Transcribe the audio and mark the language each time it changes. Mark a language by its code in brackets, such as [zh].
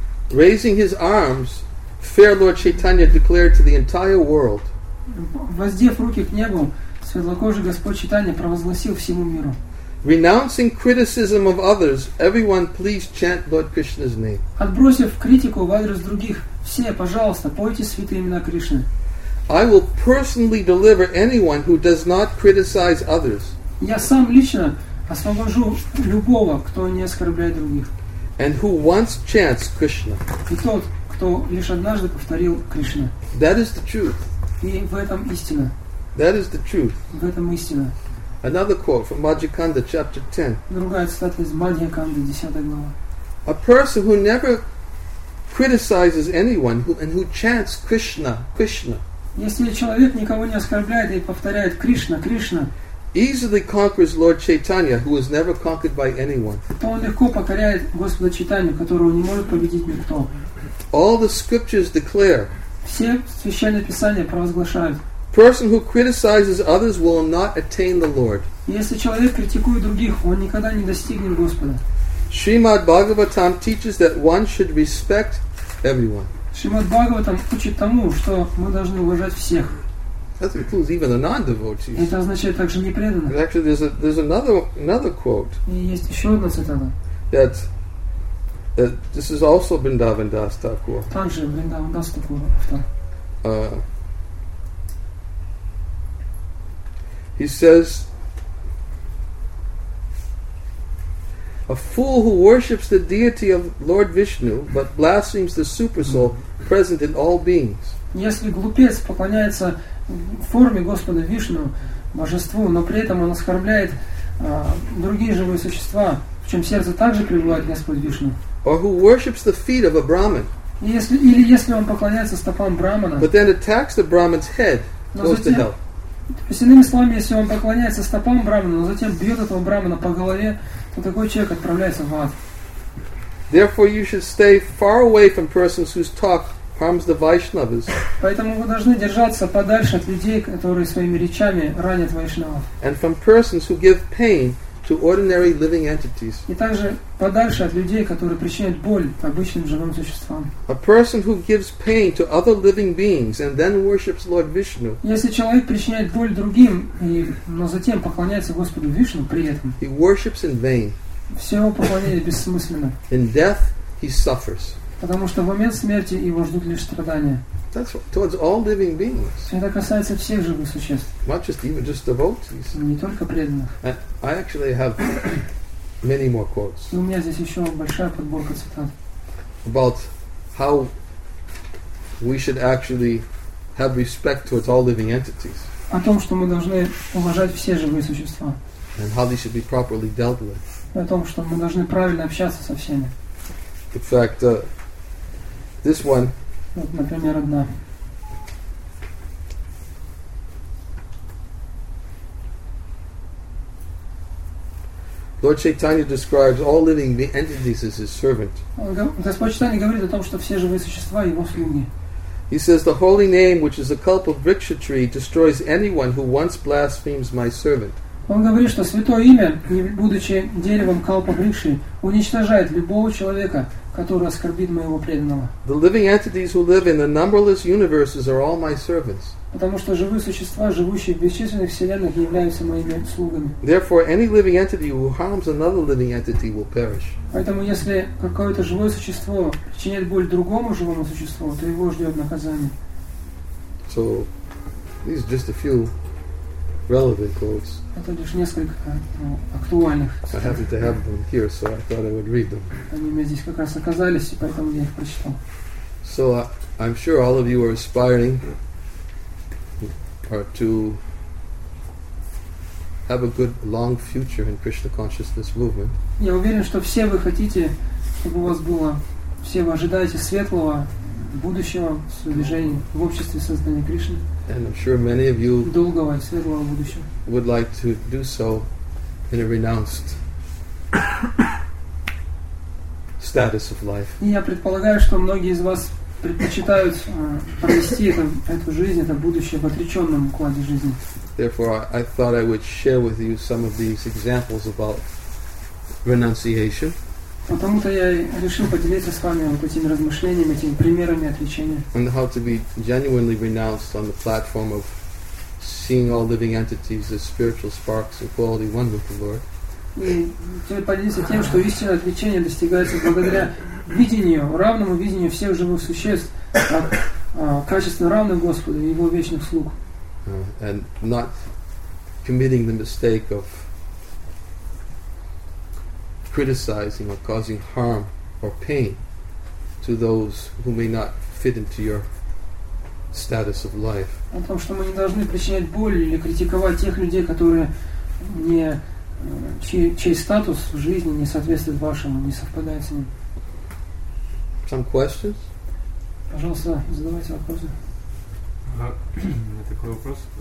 [en] Raising his arms, fair Lord Chaitanya declared to the entire world. [ru] Воздев руки к небу, светлокожий Господь Чайтанья провозгласил всему миру. [en] Renouncing criticism of others, everyone please chant Lord Krishna's name. [ru] Отбросив критику в адрес других, все, пожалуйста, пойте святые имена Кришны. [en] I will personally deliver anyone who does not criticize others. [ru] Я сам лично освобожу любого, кто не оскорбляет других. [en] And who once chants Krishna. [ru] И тот, кто лишь однажды повторил Кришна. [en] That is the truth. [ru] И в этом истина. [en] That is the truth. [ru] В этом истина. [en] Another quote from Madhyakanda, chapter 10. [ru] Другая цитата из Мадхьяканды, 10 глава. [en] A person who never criticizes anyone and who chants Krishna, Krishna. [ru] Если человек никого не оскорбляет и повторяет Кришна, Кришна. [en] Easily conquers Lord Chaitanya, who is never conquered by anyone. [ru] То он легко покоряет Господа Чайтанью, которого не может победить никто. [en] All the scriptures declare. [ru] Все священные писания провозглашают. [en] Person who criticizes others will not attain the Lord. [ru] Если человек критикует других, он никогда не достигнет Господа. [en] Srimad Bhagavatam teaches that one should respect everyone. [ru] Srimad Bhagavatam учит тому, что мы должны уважать всех. [en] That includes even the non-devotees. [ru] Это означает также непреданных. [en] And actually, there's another quote. [ru] И есть еще одна цитата. [en] That this is also Vrindavan Das Thakur. [ru] Также Vrindavan Das Thakur. [en] He says, a fool who worships the deity of Lord Vishnu but blasphemes the Supersoul present in all beings. [ru] Если глупец поклоняется форме Господа Вишну, божеству, но при этом он оскорбляет другие живые существа, в чем сердце также пребывает Господь Вишну. [en] Or who worships the feet of a Brahmin. [ru] Или если он поклоняется стопам Брахмана. [en] But then attacks the Brahmin's head, goes to hell. [ru] То есть, иными словами, если он поклоняется стопам брахмана, но затем бьет этого брахмана по голове, то такой человек отправляется в ад. [en] Therefore, you should stay far away from persons whose talk harms the Vaishnavas. [ru] Поэтому вы должны держаться подальше от людей, которые своими речами ранят вайшнавов. [en] And from persons who give pain to ordinary living entities. [ru] И также подальше от людей, которые причиняют боль обычным живым существам. [en] A person who gives pain to other living beings and then worships Lord Vishnu. [ru] Если человек причиняет боль другим, но затем поклоняется Господу Вишну при этом. [en] He worships in vain. [ru] Все его поклонение бессмысленно. [en] In death he suffers. [ru] Потому что в момент смерти его ждут лишь страдания. [en] That's towards all living beings. [ru] Это касается всех живых существ. [en] Not just even just devotees. [ru] Не только преданных. [en] I actually have many more quotes. [ru] У меня здесь еще большая подборка цитат. [en] About how we should actually have respect towards all living entities. [ru] О том, что мы должны уважать все живые существа. [en] And how they should be properly dealt with. [ru] О том, что мы должны правильно общаться со всеми. [en] In fact, this one. [ru] Вот, например, одна. [en] Lord Chaitanya describes all living entities as his servant. [ru] Господь Чайтанья говорит о том, что все живые существа его слуги. [en] He says, the holy name, which is a culp of Vriksha tree, destroys anyone who once blasphemes my servant. [ru] Он говорит, что святое имя, будучи деревом Калпа Брикши, уничтожает любого человека, который оскорбит моего преданного. [en] The living entities who live in the numberless universes are all my servants. [ru] Потому что живые существа, живущие в бесчисленных вселенных, являются моими слугами. [en] Therefore, any living entity who harms another living entity will perish. [ru] Поэтому, если какое-то живое существо причинит боль другому живому существу, то его ждет наказание. [en] So, these are just a few relevant quotes. [ru] Это лишь несколько актуальных. [en] I happen to have them here, so I thought I would read them. [ru] Они у меня здесь как раз оказались, и поэтому я их прочитал. [en] So, I'm sure all of you are aspiring or to have a good long future in Krishna consciousness movement. [ru] Я уверен, что все вы хотите, чтобы у вас было, все вы ожидаете светлого будущего в движении, в обществе создания Кришны. [en] And I'm sure many of you [ru] долгого и светлого будущего [en] would like to do so in a renounced status of life. [ru] И я предполагаю, что многие из вас предпочитают провести эту жизнь, это будущее в отреченном укладе жизни. [en] Therefore, I thought I would share with you some of these examples about renunciation. [ru] Потому-то я решил поделиться с вами вот этими размышлениями, этими примерами отречения. [en] And how to be genuinely renounced on the platform of seeing all living entities as spiritual sparks of quality one with the Lord. [ru] И поделиться тем, что истинное отречение достигается благодаря видению, равному видению всех живых существ, как качественно равных Господу и Его вечных слуг. [en] And not committing the mistake of criticizing or causing harm or pain to those who may not fit into your status of life. [ru] О том, что мы не должны причинять боль или критиковать тех людей, которые не чей статус в жизни не соответствует вашему, не совпадает с ним. [en] Some questions? [ru] Пожалуйста, задавайте вопросы. У меня такой вопрос.